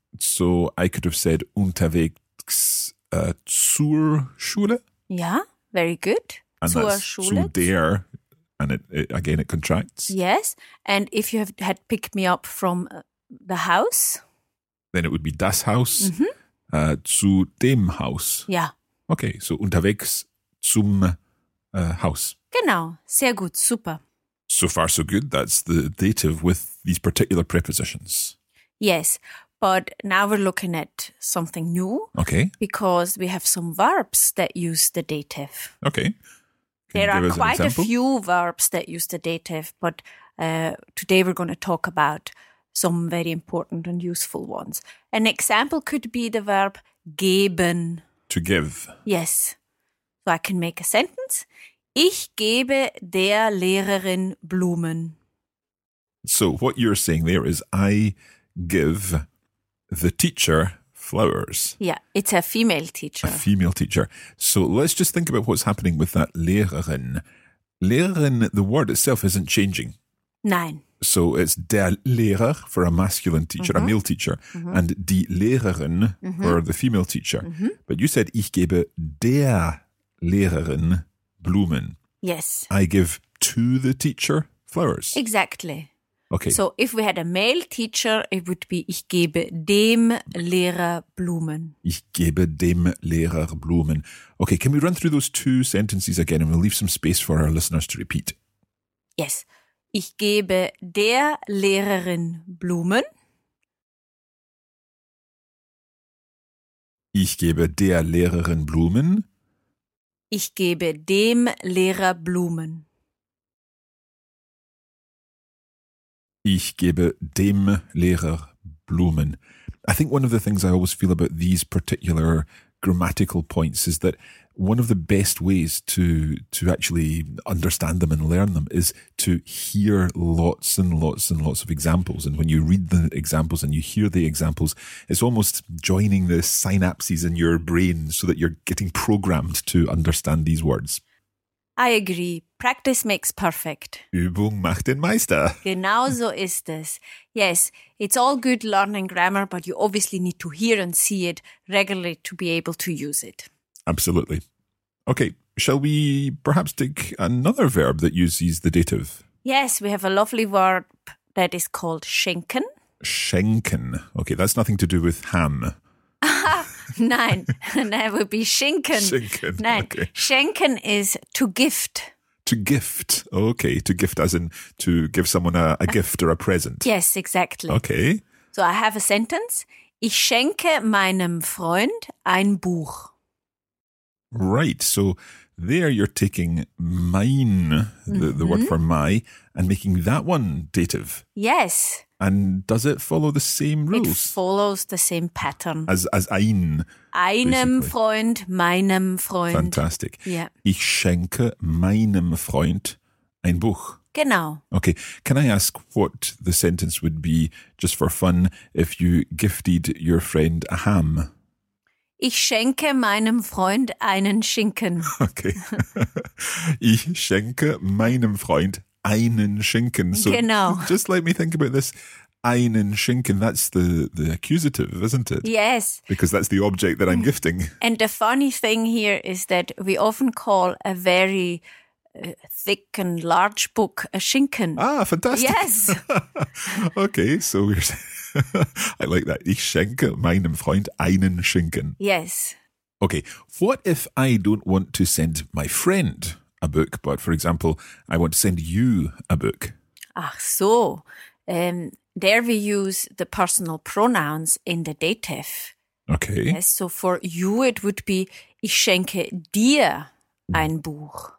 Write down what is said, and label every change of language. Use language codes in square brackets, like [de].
[en] So I could have said [de] unterwegs zur Schule. [en] Yeah, very good. And [de] zur [en] that's [de] Schule. Zu der, [en] and it again it contracts. Yes, and if you had picked me up from the house? Then it would be [de] das Haus. Mm-hmm. Zu dem Haus. [en] Yeah. Okay, so [de] unterwegs zum Haus. Genau, sehr gut, super. [en] So far so good, that's the dative with these particular prepositions. Yes, but now we're looking at something new. Okay. Because we have some verbs that use the dative. Okay. There are quite a few verbs that use the dative, but today we're going to talk about some very important and useful ones. An example could be the verb geben. To give. Yes. So I can make a sentence. [de] Ich gebe der Lehrerin Blumen. [en] So what you're saying there is I give the teacher flowers. Yeah, it's a female teacher. A female teacher. So let's just think about what's happening with that Lehrerin. Lehrerin, the word itself isn't changing. [de] Nein. [en] So it's der Lehrer for a masculine teacher, mm-hmm. a male teacher, mm-hmm. and die Lehrerin mm-hmm. for the female teacher. Mm-hmm. But you said [de] ich gebe der Lehrerin Blumen. [en] Yes. I give to the teacher flowers. Exactly. Okay. So if we had a male teacher, it would be [de] ich gebe dem Lehrer Blumen. Ich gebe dem Lehrer Blumen. [en] Okay, can we run through those two sentences again and we'll leave some space for our listeners to repeat? Yes. [de] Ich gebe der Lehrerin Blumen. Ich gebe der Lehrerin Blumen. Ich gebe dem Lehrer Blumen. Ich gebe dem Lehrer Blumen. [en] I think one of the things I always feel about these particular grammatical points is that one of the best ways to actually understand them and learn them is to hear lots and lots and lots of examples. And when you read the examples and you hear the examples, it's almost joining the synapses in your brain so that you're getting programmed to understand these words. I agree. Practice makes perfect. [de] Übung macht den Meister. Genau so ist es. [en] Yes, it's all good learning grammar, but you obviously need to hear and see it regularly to be able to use it. Absolutely. Okay, shall we perhaps take another verb that uses the dative? Yes, we have a lovely verb that is called schenken. [de] Schenken. [en] Okay, that's nothing to do with ham. [de] Nein, [en] that would be schenken. [de] Schenken. Nein. [en] Okay. Schenken is to gift. To gift. Okay, to gift as in to give someone a gift or a present. Yes, exactly. Okay. So I have a sentence. [de] Ich schenke meinem Freund ein Buch. [en] Right, so there you're taking mein, the mm-hmm. word for my, and making that one dative. Yes. And does it follow the same rules? It follows the same pattern. As ein. [de] Einem Freund, meinem Freund. [en] Fantastic. Yeah. [de] Ich schenke meinem Freund ein Buch. Genau. [en] Okay, can I ask what the sentence would be, just for fun, if you gifted your friend a ham? [de] Ich schenke meinem Freund einen Schinken. [en] Okay. [de] Ich schenke meinem Freund einen Schinken. So genau. [en] Just let me think about this. [de] Einen Schinken, [en] that's the accusative, isn't it? Yes. Because that's the object that I'm gifting. And the funny thing here is that we often call a very thick and large book a Schinken. Ah, fantastic. Yes. Okay, so we're saying, I like that. Ich schenke meinem Freund einen Schinken. Yes. Okay. What if I don't want to send my friend a book, but for example, I want to send you a book? [de] Ach so. [en] There we use the personal pronouns in the dative. Okay. Yes, so for you, it would be [de] ich schenke dir ein Buch.